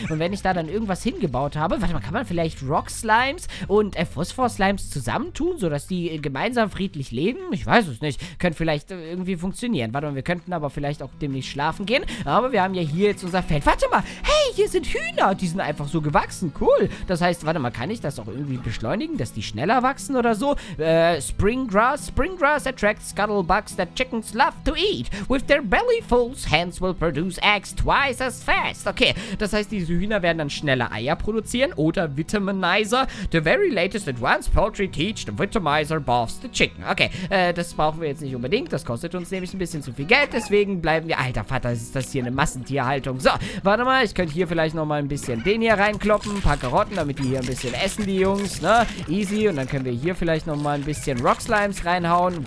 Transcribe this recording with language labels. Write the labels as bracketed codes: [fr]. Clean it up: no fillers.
[de] Und wenn ich da dann irgendwas hingebaut habe, warte mal, kann man vielleicht Rock-Slimes und Phosphor-Slimes zusammentun, sodass die gemeinsam friedlich leben? Ich weiß es nicht. Könnte vielleicht irgendwie funktionieren. Warte mal, wir könnten aber vielleicht auch demnächst schlafen gehen. Aber wir haben ja hier jetzt unser Feld. Warte mal, hey, hier sind Hühner. Die sind einfach so gewachsen. Cool. Das heißt, warte mal, kann ich das auch irgendwie beschleunigen, dass die schneller wachsen oder so? [en] Springgrass attracts scuttlebugs that chickens love to eat. With their belly fulls, hens will produce eggs twice as fast. [de] Okay, das heißt, diese Hühner werden dann schneller Eier produzieren oder Vitaminizer. [en] The very latest advanced poultry teach the Vitaminizer buffs the chicken. [de] Okay, das brauchen wir jetzt nicht unbedingt. Das kostet uns nämlich ein bisschen zu viel Geld. Deswegen bleiben wir... Alter Vater, ist das hier eine Massentierhaltung? So, warte mal, ich könnte hier vielleicht nochmal ein bisschen den hier reinkloppen. Ein paar Karotten, damit die hier ein bisschen essen, die Jungs, ne? Easy. Und dann können wir hier vielleicht nochmal ein bisschen Rockslimes reinhauen.